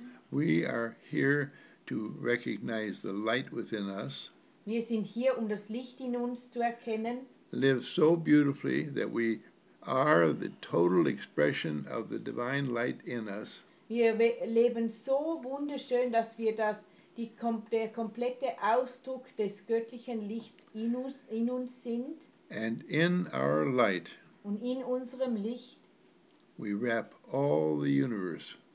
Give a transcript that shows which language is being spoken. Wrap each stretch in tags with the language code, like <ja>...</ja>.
<en>We are here to recognize the light within us.</en> <de>Wir sind hier, um das Licht in uns zu erkennen.</de> <en>Live so beautifully that we are the total expression of the divine light in us.</en> <de>Wir leben so wunderschön, dass wir der komplette Ausdruck des göttlichen Lichts in uns sind.</de> <en>And in our light,</en> <de>und in unserem Licht,</de> <en>we wrap all the universe.</en>